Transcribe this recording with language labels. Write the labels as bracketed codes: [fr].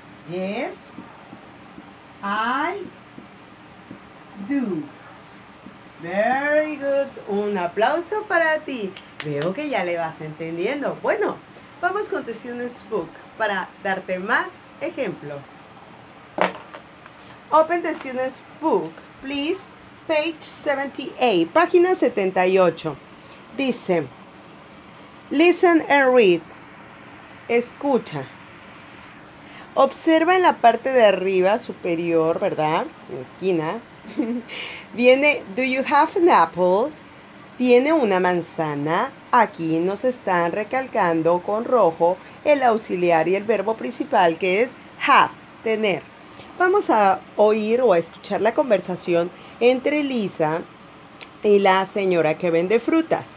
[en] Yes, I do. Very good. [es] Un aplauso para ti. Veo que ya le vas entendiendo. Bueno, vamos con tu student's book para darte más ejemplos. [en] Open the student's book, please. Page 78, [es] página 78. Dice, [en] listen and read. [es] Escucha. Observa en la parte de arriba superior, ¿verdad? En la esquina. Viene, [en] do you have an apple? [es] ¿Tiene una manzana? Aquí nos están recalcando con rojo el auxiliar y el verbo principal que es have, tener. Vamos a oír o a escuchar la conversación entre Lisa y la señora que vende frutas.